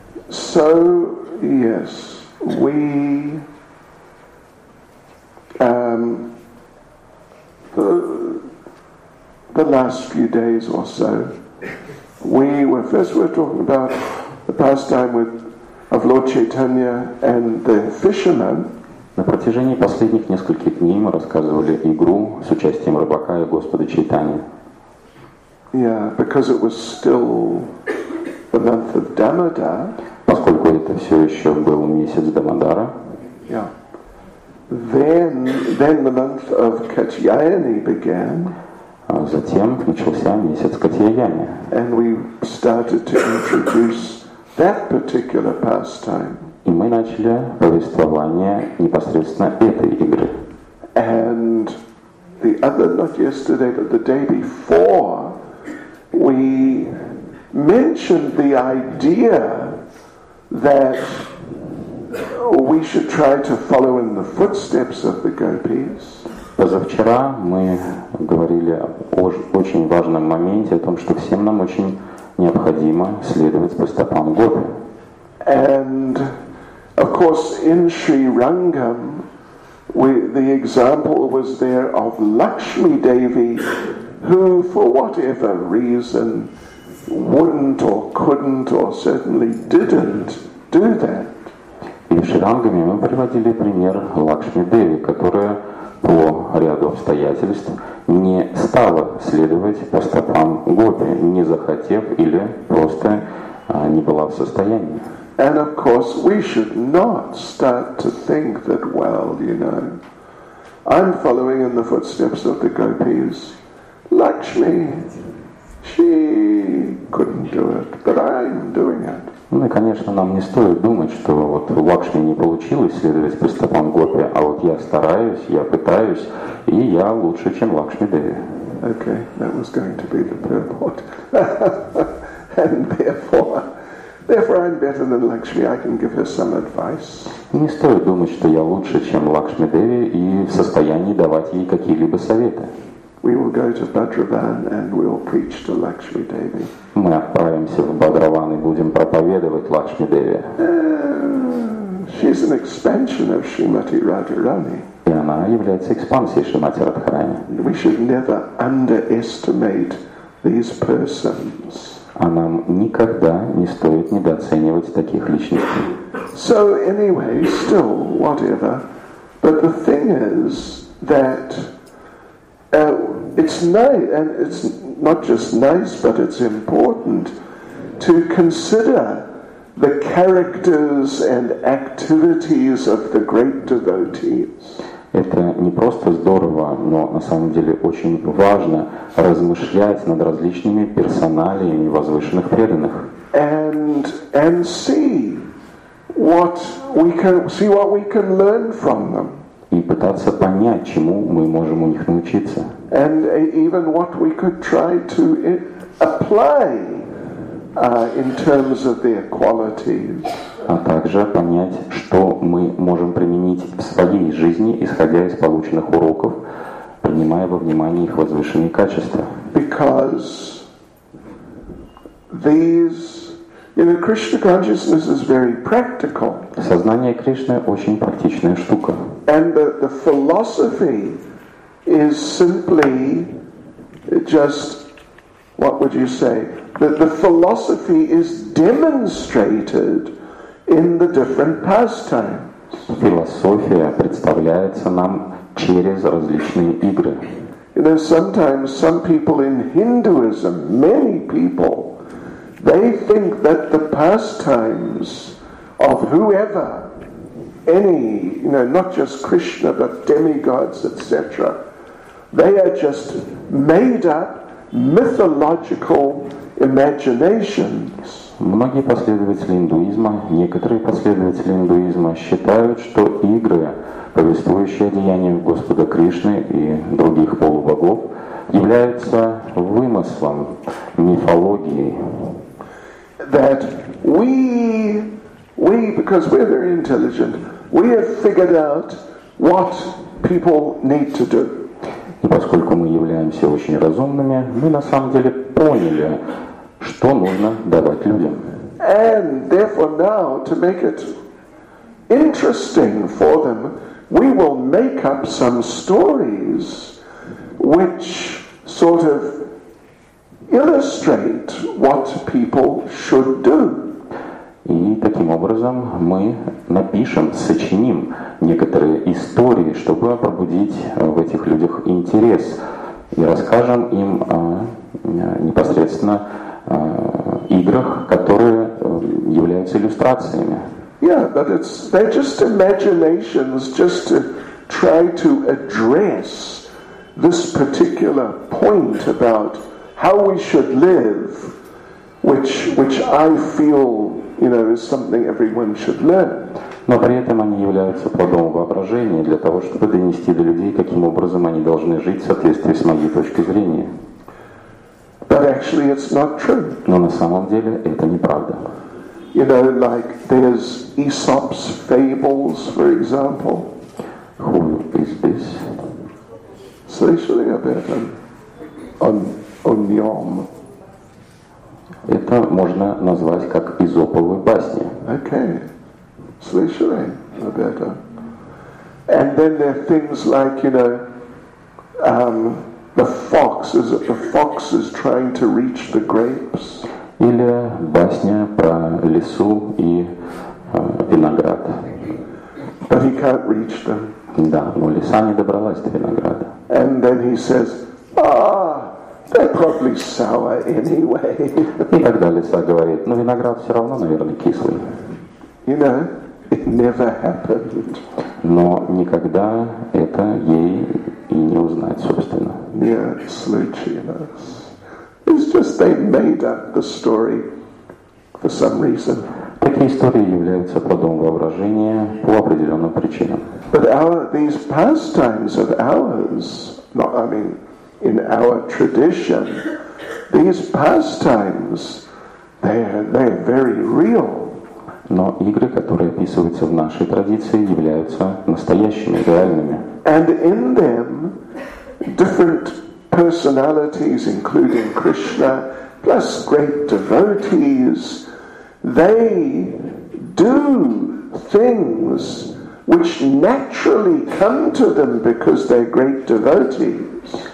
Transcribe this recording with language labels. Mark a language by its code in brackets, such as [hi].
[en] So, yes, we the last few days or so, we were talking about the pastime of Lord Chaitanya and the fisherman. [ru] На протяжении последних нескольких дней мы рассказывали игру с участием рыбака и Господа Чайтани. [en] Yeah, because it was still the month of Damodar. [ru] Поскольку это все еще был месяц Дамодара. [en] Then the month of Katyayani began. [ru] Затем начался месяц Катьяяни. [en] And we started to introduce that particular pastime. [ru] И мы начали повествование непосредственно этой игры. [en] And the other, not yesterday, but the day before, we mentioned the idea that we should try to follow in the footsteps of the gopis. [ru] Позавчера мы говорили о очень важном моменте, о том, что всем нам очень необходимо следовать по стопам гопи. [en] And of course in Sri Rangam the example was there of Lakshmi Devi, who for whatever reason wouldn't or couldn't or certainly didn't do that. [ru] И в Шрангаме мы приводили пример Лакшми Деви, которая по ряду обстоятельств не стала следовать по стопам Гопи, не захотев или просто не была в состоянии. [en] And of course we should not start to think that, well, you know, I'm following in the footsteps of the gopis. Lakshmi, she couldn't do it, but I'm doing it. [ru] Ну и, конечно, нам не стоит думать, что вот у Лакшми не получилось следовать по стопам гопи, а вот я стараюсь, я пытаюсь, и я лучше, чем Лакшми Деви. [en] Okay, that was going to be the purport. And therefore I'm better than Lakshmi, I can give her some advice. [ru] Не стоит думать, что я лучше, чем Лакшми Деви, и в состоянии давать ей какие-либо советы. [en] We will go to Bhadravan and we will preach to Lakshmi Devi. [ru] Мы отправимся в Бхадраван и будем проповедовать Лакшми Деви. [en] She's an expansion of Srimati Radharani. [ru] И она является экспансией Шримати Радхарани. [en] We should never underestimate these persons. [ru] А нам никогда не стоит недооценивать таких личностей. [en] So anyway, still, whatever. But the thing is that it's nice, and it's not just nice, but it's important to consider the characters and activities of the great devotees. [ru] Это не просто здорово, но на самом деле очень важно размышлять над различными персоналиями возвышенных преданных. [en] And see what we can learn from them. [ru] И пытаться понять, чему мы можем у них научиться. [en] And even what we could try to apply in terms of their qualities. [ru] А также понять, что мы можем применить в своей жизни, исходя из полученных уроков, принимая во внимание их возвышенные качества. [en] Because these, you know, Krishna consciousness is very practical. [ru] Сознание Кришны очень практичная штука. [en] And the philosophy is simply just, what would you say, that the philosophy is demonstrated in the different pastimes. [ru] Философия представляется нам через различные игры. [en] You know, sometimes some people in Hinduism, many people, they think that the pastimes of whoever, any, you know, not just Krishna, but demigods, etc. They are just made up mythological imaginations. [ru] Многие последователи индуизма, некоторые последователи индуизма считают, что игры, повествующие о деяниях Господа Кришны и других полубогов, являются вымыслом, мифологией. [en] That we, because we're very intelligent, we have figured out what people need to do. [ru] И поскольку мы являемся очень разумными, мы на самом деле поняли, что нужно давать людям. [en] And therefore now, to make it interesting for them, we will make up some stories which sort of illustrate what people should do. [ru] И таким образом мы напишем, сочиним некоторые истории, чтобы пробудить в этих людях интерес, и расскажем им непосредственно играх, которые являются иллюстрациями. [en] Yeah, but it's they're just imaginations, just to try to address this particular point about how we should live, which I feel, you know, is something everyone should learn. [ru] Но при этом они являются плодом воображения для того, чтобы донести до людей, каким образом они должны жить в соответствии с моей точкой зрения. [en] But actually, it's not true. [ru] Но на самом деле это неправда. [en] You know, like there's Aesop's fables, for example. Who is this? [ru] Слышали об этом? Он ям. Это можно назвать как Эзоповы басни. Okay. Слышали об этом? [en] And then there are things like, you know, the fox is trying to reach the grapes. [ru] Или басня про лису и виноград. [en] But he can't reach them. [ru] Да, но лиса не добралась до винограда. [en] And then he says, ah, they're probably sour anyway. [ru] И тогда лиса говорит, ну виноград все равно, наверное, кислый. [en] You know, it never happened. [ru] Но никогда это ей и не узнать, собственно. Нет, случилось. [en] It's just they made up the story for some reason. [ru] Такие истории являются плодом воображения по определенным причинам. [en] But these pastimes of ours, in our tradition, these pastimes, they're very real. [ru] Но игры, которые описываются в нашей традиции, являются настоящими, реальными. [en] And in them, different personalities, including Krishna, plus great devotees, they do things which naturally come to them because they're great devotees.